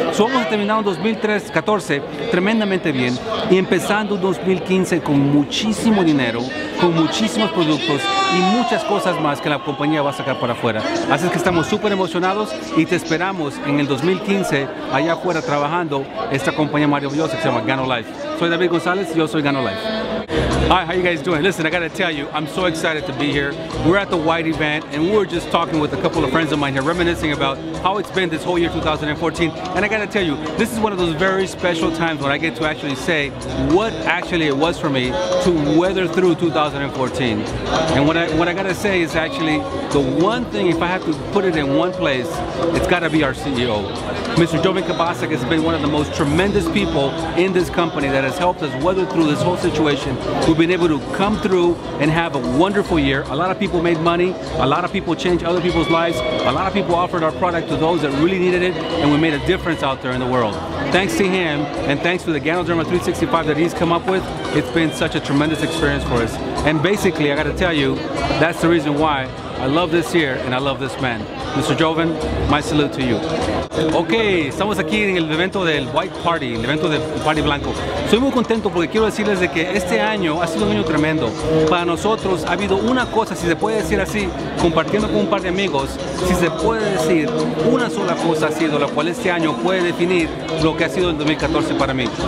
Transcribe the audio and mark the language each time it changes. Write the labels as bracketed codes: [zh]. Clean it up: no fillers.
[es] Somos terminando 2014 tremendamente bien y empezando 2015 con muchísimo dinero, con muchísimos productos y muchas cosas más que la compañía va a sacar para afuera. Así es que estamos súper emocionados y te esperamos en el 2015 allá afuera trabajando esta compañía maravillosa que se llama Ganolife. Soy David González y yo soy Ganolife. [en] Hi, how you guys doing? Listen, I gotta tell you, I'm so excited to be here. We're at the White event, and we're just talking with a couple of friends of mine here, reminiscing about how it's been this whole year 2014. And I gotta tell you, this is one of those very special times when I get to actually say what actually it was for me to weather through 2014. And what I gotta say is actually, the one thing, if I have to put it in one place, it's gotta be our CEO. Mr. Joven Kabasek has been one of the most tremendous people in this company that has helped us weather through this whole situation. We've been able to come through and have a wonderful year. A lot of people made money. A lot of people changed other people's lives. A lot of people offered our product to those that really needed it, and we made a difference out there in the world. Thanks to him, and thanks to the Ganoderma 365 that he's come up with, it's been such a tremendous experience for us. And basically, I gotta tell you, that's the reason why I love this year and I love this man. Mr. Joven, my salute to you. [es] Ok, estamos aquí en el evento del White Party, el evento del Party Blanco. Estoy muy contento porque quiero decirles de que este año ha sido un año tremendo. Para nosotros ha habido una cosa, si se puede decir así, compartiendo con un par de amigos, si se puede decir una sola cosa ha sido la cual este año puede definir lo que ha sido el 2014 para mí.